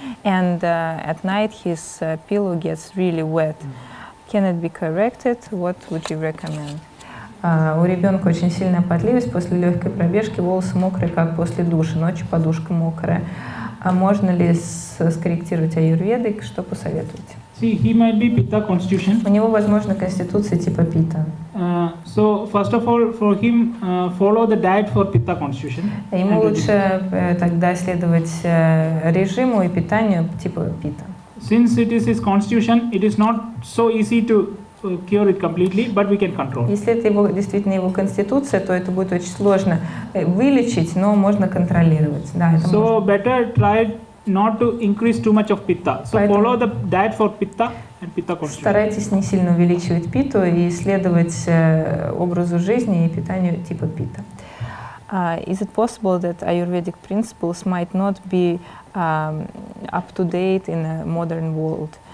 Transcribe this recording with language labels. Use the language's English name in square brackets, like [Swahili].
[English] And at night his pillow gets really wet. Can it be corrected? What would you recommend? [Russian] У ребенка очень сильная потливость после легкой пробежки, волосы мокрые, как после душа, ночью подушка мокрая. А можно ли скорректировать аюрведой? Что посоветуете? [English] See, he might be pitta constitution. [Russian] У него, возможно, конституция типа питта. [English] So, first of all, for him, follow the diet for pitta constitution. [Russian] Ему лучше тогда следовать режиму и питанию типа питта. [English] Since it is his constitution, it is not so easy to cure it completely, but we can control. [Russian] Если это его, действительно его конституция, то это будет очень сложно вылечить, но можно контролировать. Да, это [English] so [Russian] можно. [English] Better try not to increase too much of pitta. So [Russian] поэтому [English] follow the diet for pitta and pitta constitution. [Russian] Старайтесь не сильно увеличивать питту и следовать образу жизни и питанию типа питта. [English] Is it possible that Ayurvedic principles might not be up to date in a modern world?